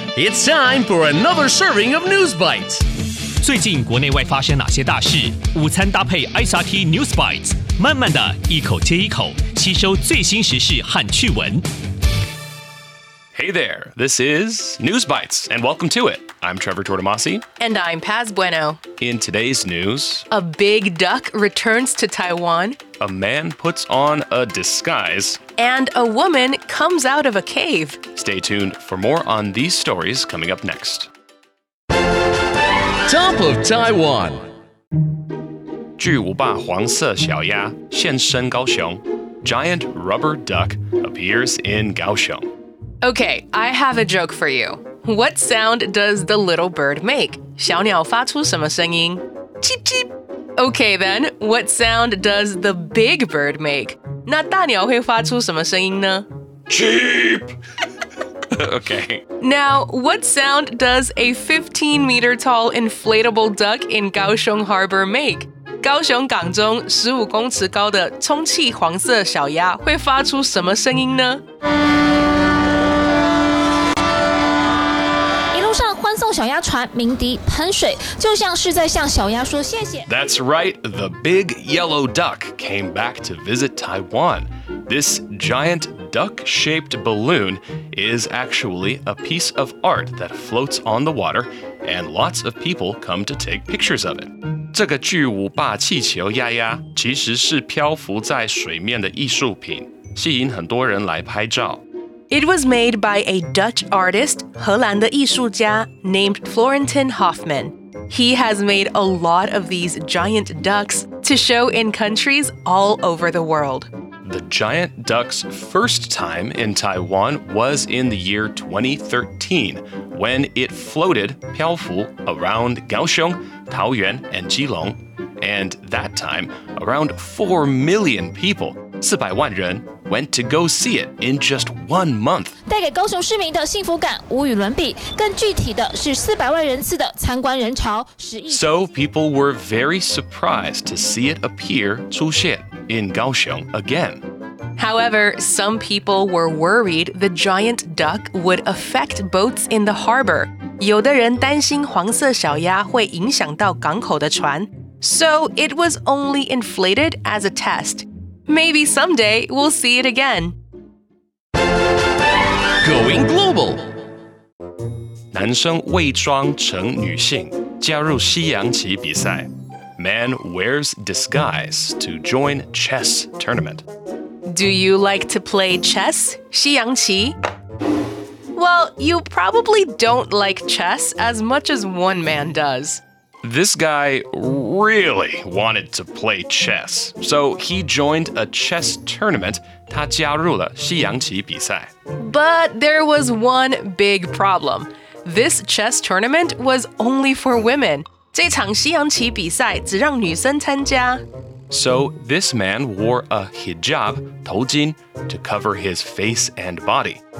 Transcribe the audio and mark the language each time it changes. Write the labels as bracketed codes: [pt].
[en] It's time for another serving of News Bites. [zh] 最近国内外发生哪些大事？午餐搭配 SRT News Bites， 慢慢的一口接一口，吸收最新时事和趣闻。 [en] Hey there, this is News Bites, and welcome to it. I'm Trevor Tortomasi. And I'm Paz Bueno. In today's news, a big duck returns to Taiwan. A man puts on a disguise. And a woman comes out of a cave. Stay tuned for more on these stories coming up next. Top of Taiwan. [zh] 巨无霸黄色小鸭现身高雄 [en] Giant rubber duck appears in Kaohsiung. Okay, I have a joke for you. What sound does the little bird make? [zh] 小鸟发出什么声音? [en] Cheep cheep! Okay then, what sound does the big bird make? [zh] 那大鸟会发出什么声音呢? [en] Cheep! Okay. Now, what sound does a 15 meter tall inflatable duck in Kaohsiung Harbor make? [zh] 高雄港中15公尺高的充气黄色小鸭会发出什么声音呢? 小鸭船鸣笛喷水，就像是在向小鸭说谢谢。 [en] That's right, the big yellow duck came back to visit Taiwan. This giant duck-shaped balloon is actually a piece of art that floats on the water, and lots of people come to take pictures of it. [zh] 这个巨无霸气球鸭鸭其实是漂浮在水面的艺术品，吸引很多人来拍照。 [en] It was made by a Dutch artist, [zh] 荷兰的艺术家, [en] named Florentijn Hofman. He has made a lot of these giant ducks to show in countries all over the world. The giant duck's first time in Taiwan was in the year 2013, when it floated, 漂浮, around Kaohsiung, Taoyuan, and Keelung. And that time, around 4 million people, [zh] 四百万人, [en] went to go see it in just one month. [zh] 带给高雄市民的幸福感无与伦比。更具体的是四百万人次的参观人潮。 [en] So people were very surprised to see it appear 出现 in Kaohsiung again. However, some people were worried the giant duck would affect boats in the harbor. [zh] 有的人担心黄色小鸭会影响到港口的船。 [en] So it was only inflated as a test. Maybe someday we'll see it again. Going global. [zh] 男生伪装成女性加入西洋棋比赛。 [en] Man wears disguise to join chess tournament. Do you like to play chess? 西洋棋? Well, you probably don't like chess as much as one man does. This guy really wanted to play chess, so he joined a chess tournament. [zh] 他加入了西洋棋比赛。 [en] But there was one big problem. This chess tournament was only for women. [zh] 这场西洋棋比赛只让女生参加。 [en] So this man wore a hijab, 头巾, to cover his face and body.